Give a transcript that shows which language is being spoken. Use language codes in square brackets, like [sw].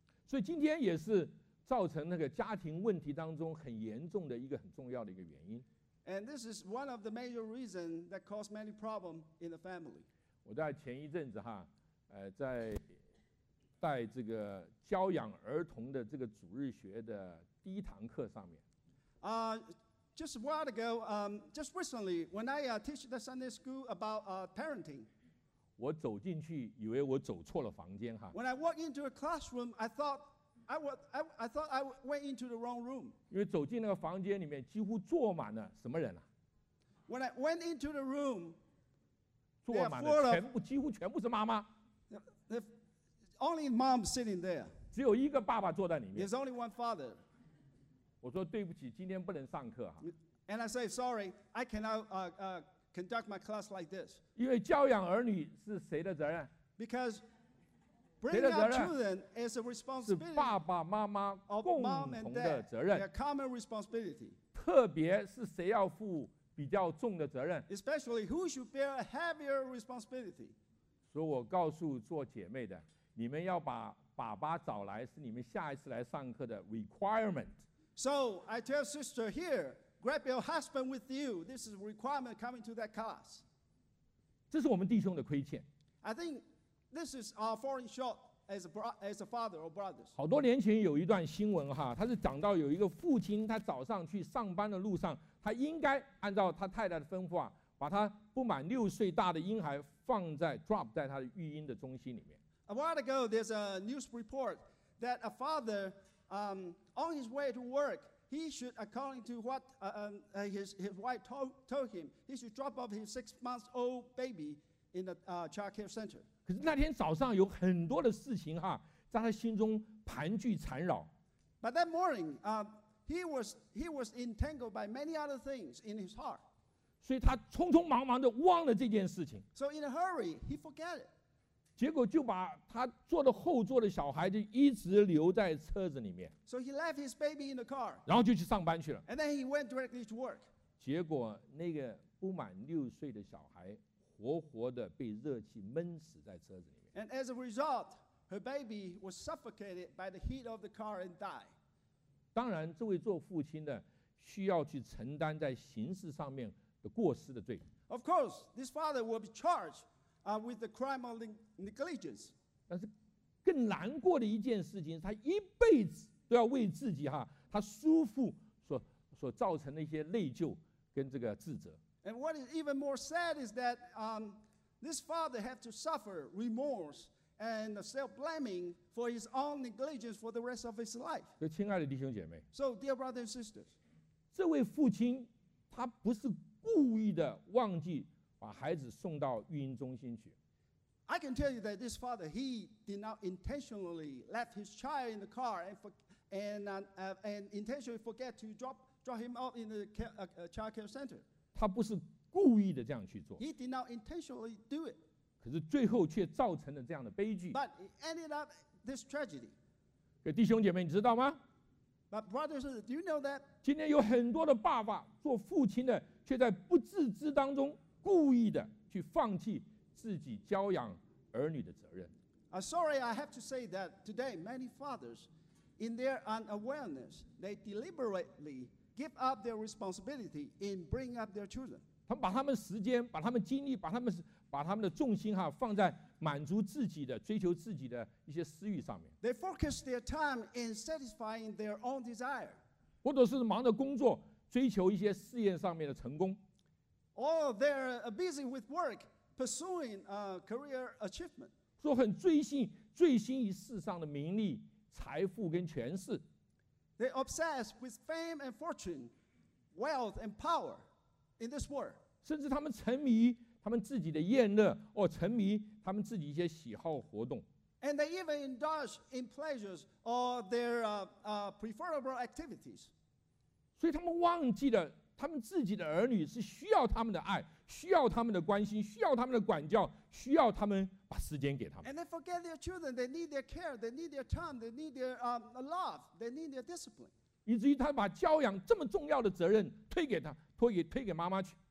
[zh] 所以今天也是造成那个家庭问题当中很严重的一个很重要的一个原因。 [en] And this is one of the major reasons that cause many problems in the family. [zh] 我在前一阵子哈，在带这个教养儿童的这个主日学的第一堂课上面。 [en] Just a while ago, just recently, when I teach the Sunday school about parenting, [zh] 我走进去以为我走错了房间哈。 [en] When I walked into a classroom, I thought I went into the wrong room. [zh] 因为走进那个房间里面几乎坐满了什么人啊？ [en] When I went into the room, [zh] 坐满了全部几乎全部是妈妈。 [en] Only mom sitting there. [zh] 只有一个爸爸坐在里面。 [en] There's only one father. [zh] 我说对不起，今天不能上课哈。 [en] And I say sorry, I cannot conduct my class like this. [zh] 因为教养儿女是谁的责任 [en] ？Because bringing up children is a responsibility. [zh] 是爸爸妈妈共同的责任。 [en] A common responsibility. [zh] 特别是谁要负比较重的责任 [en] ？Especially who should bear a heavier responsibility. [zh] 所以我告诉做姐妹的，你们要把爸爸找来，是你们下一次来上课的 requirement。 [en] So I tell sister here, grab your husband with you. This is a requirement coming to that class. [zh] 这是我们弟兄的亏欠。 [en] I think this is our falling short as a father or brothers. [zh] 好多年前有一段新闻哈，他是讲到有一个父亲，他早上去上班的路上，他应该按照他太太的吩咐啊，把他不满六岁大的婴孩放在 drop 在他的育婴的中心里面。 [en] A while ago, there's a news report that a father. On his way to work, he should, according to what his wife told him, he should drop off his 6-month-old baby in the childcare center. [zh] 可是那天早上有很多的事情哈，在他心中盘踞缠绕。 [en] But that morning, he was entangled by many other things in his heart. [zh] 所以他匆匆忙忙的忘了这件事情。 [en] So in a hurry, he forgot it. [zh] 结果就把他坐的后座的小孩就一直留在车子里面。 [en] So he left his baby in the car. [zh] 然后就去上班去了。 [en] And then he went directly to work. [zh] 结果那个不满六岁的小孩活活的被热气闷死在车子里面。 [en] And as a result, her baby was suffocated by the heat of the car and died. [zh] 当然，这位做父亲的需要去承担在刑事上面的过失的罪。 [en] Of course, this father will be charged. With the crime of negligence. [zh] 但是更难过的一件事情，他一辈子都要为自己哈，他叔父所造成的一些内疚跟这个自责。 [en] And what is even more sad is that this father have to suffer remorse and self-blaming for his own negligence for the rest of his life. [zh] 所以，亲爱的弟兄姐妹 [en] ，So dear brothers and sisters, [zh] 这位父亲他不是故意的忘记。把孩子送到育婴中心去。 [en] I can tell you that this father he did not intentionally left his child in the car and intentionally forget to drop him off in the childcare center. [zh] 他不是故意的这样去做。 [en] He did not intentionally do it. [zh] 可是最后却造成了这样的悲剧。 [en] But it ended up this tragedy. [zh] 给弟兄姐妹，你知道吗？ [en] But brothers, do you know that? [zh] 今天有很多的爸爸做父亲的，却在不自知当中。故意的去放弃自己教养儿女的责任。 [en] Sorry, I have to say that today many fathers, in their unawareness, they deliberately give up their responsibility in bringing up their children. [zh] 他们把他们时间、把他们精力、把他们的重心哈放在满足自己的、追求自己的一些私欲上面。 [en] They focus their time in satisfying their own desire. [zh] 或者是忙着工作，追求一些事业上面的成功。 [en] Or they're busy with work, pursuing a career achievement. [zh] 说很醉心于世上的名利、财富跟权势。 [en] They obsess with fame and fortune, wealth and power. In this world, [zh] 甚至他们沉迷他们自己的宴乐，或沉迷他们自己一些喜好活动。 [en] And they even indulge in pleasures or their preferable activities. [zh] 所以他们忘记了他们自己的儿女是需要他们的爱，需要他们的关心，需要他们的管教，需要他们把时间给他们。 [en] And they forget their children. They need their care. They need their time. They need their love. They need their discipline. [zh] 以至于他把教养这么重要的责任推给他，推给妈妈去。